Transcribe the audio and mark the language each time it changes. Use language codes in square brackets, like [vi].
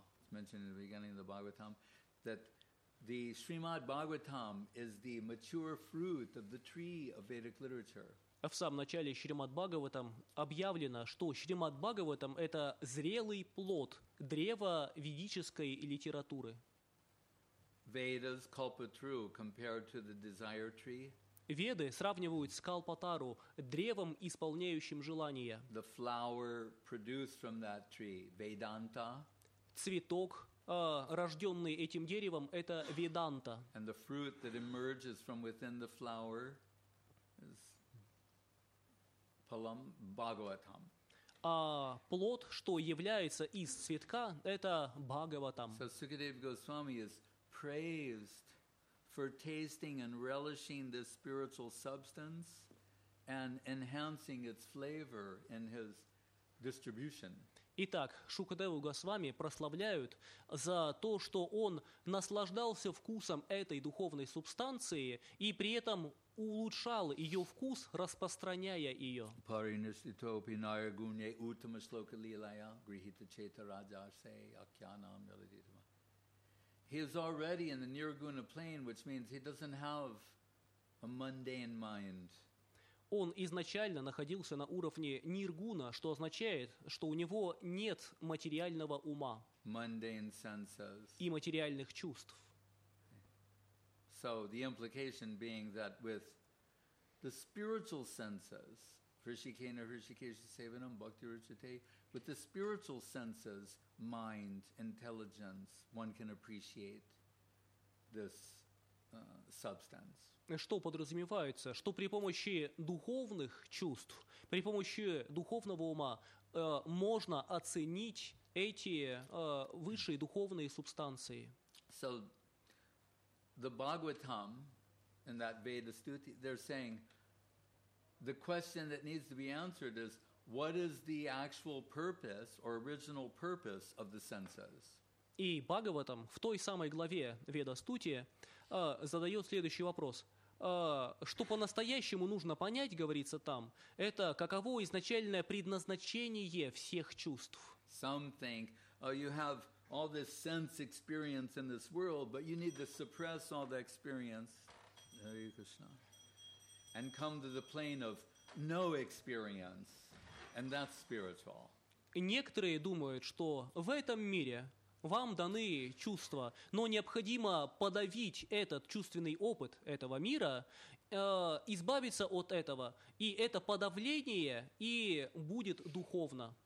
[en] Mentioned in the beginning of the Bhagavatam, that the Srimad Bhagavatam is the mature fruit of the tree of Vedic literature. [ru] В самом начале Шримад Бхагаватам объявлено, что Шримад Бхагаватам – это зрелый плод древа ведической литературы. [en] Vedas Kalpatru compared to the desire tree. [ru] Веды сравнивают с Калпатару, древом, исполняющим желания. [en] The flower produced from that tree, Vedanta. [ru] Цветок, рожденный этим деревом, это веданта. [en] And the fruit that emerges from within the flower is palam bhagavatam. [ru] А плод, что является из цветка, это бхагаватам. [en] So Sukadeva Goswami is praised for tasting and relishing this spiritual substance and enhancing its flavor in his distribution. [ru] Итак, Шукадеву Госвами прославляют за то, что он наслаждался вкусом этой духовной субстанции и при этом улучшал ее вкус, распространяя ее. [sa] Паринишитопи наягуне утама шлока лилая грихита чета раджа се акьянам яладитама. [en] He is already in the nirguna plane, which means he doesn't have a mundane mind. [ru] Он изначально находился на уровне ниргуна, что означает, что у него нет материального ума и материальных чувств. [en] So the implication being that with the spiritual senses, [sa] Hrishikena Hrishikesha Sevanam Bhakti Ruchate, [en] with the spiritual senses, mind, intelligence, one can appreciate this substance. [ru] Что подразумевается, что при помощи духовных чувств, при помощи духовного ума можно оценить эти высшие духовные субстанции. [en] So the Bhagavatam in that Veda Stuti, they're saying the question that needs to be answered is what is the actual purpose or original purpose of the senses? [ru] И Бхагаватам в той самой главе Веда Стути задает следующий вопрос. Что по-настоящему нужно понять, говорится там, это каково изначальное предназначение всех чувств. [en] Some think, you have all this sense experience in this world, but you need to suppress all the experience, Hare Krishna, and come to the plane of no experience, and that's spiritual. [ru] Некоторые думают, что в этом мире вам даны чувства, но необходимо подавить этот чувственный опыт этого мира, избавиться от этого, и это подавление и будет духовно.